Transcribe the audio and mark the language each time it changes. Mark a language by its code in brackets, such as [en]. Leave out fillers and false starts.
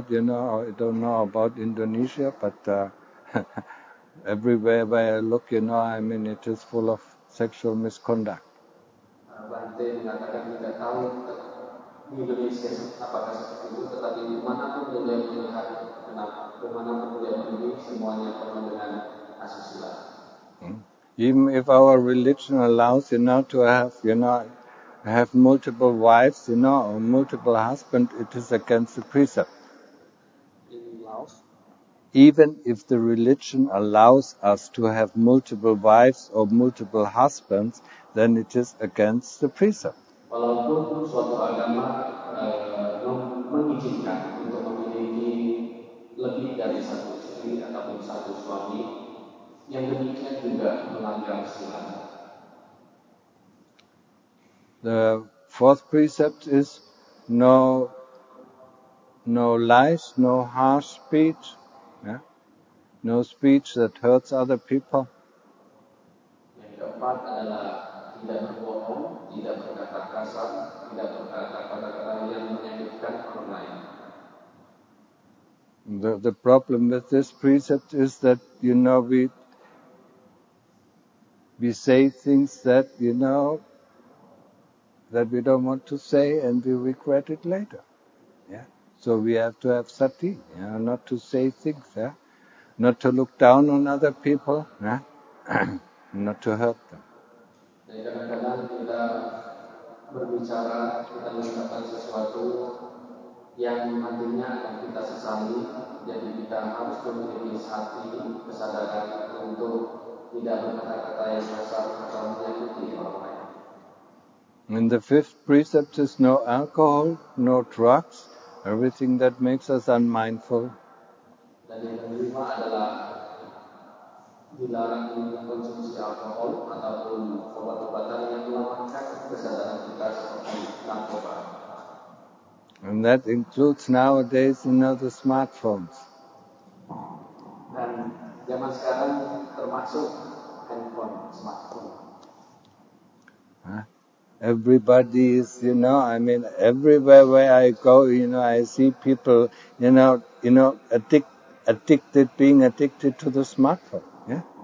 [en] I don't know about Indonesia, but everywhere where I look, you know, I mean, it is full of sexual misconduct. [id] Bante mengatakan tidak tahu di Indonesia apakah seperti itu, tetapi di mana pun dia melihat, kenapa, di mana pun dia melihat, semuanya penuh dengan asusila. [en] Even if our religion allows, you know, to have, you know, have multiple wives, you know, or multiple husband, it is against the precept. In Laos? Even if the religion allows us to have multiple wives or multiple husbands, then it is against the precept. [id] Walaupun suatu agama mengizinkan untuk memiliki lebih dari satu istri ataupun satu suami, yang demikian juga melanggar silang. [en] The fourth precept is no lies, no harsh speech, yeah? No speech that hurts other people. [id] Yang keempat adalah tidak berbohong, tidak berkata kasar, tidak berkata kata-kata yang menyakitkan orang lain. [en] The problem with this precept is that, you know, we say things that, you know, that we don't want to say and we regret it later. Yeah. So we have to have sati, yeah, not to say things, yeah. Not to look down on other people, yeah. Not to hurt them. [id] Kadang-kadang kita berbicara, kita mengatakan sesuatu yang nantinya akan kita sesali, jadi kita harus memiliki sati, kesadaran untuk tidak berkata-kata yang kasar atau menyakiti orang lain. [en] And the fifth precept is no alcohol, no drugs, everything that makes us unmindful. [id] Dan yang kelima adalah dilarang mengkonsumsi alkohol ataupun obat-obatan yang melemahkan kesadaran kita seperti narkoba. [en] And that includes nowadays, you know, the smartphones. [id] Dan zaman sekarang termasuk handphone, smartphone. [en] Everybody is, you know, I mean, everywhere where I go, you know, I see people, you know, addicted, being addicted to the smartphone, yeah?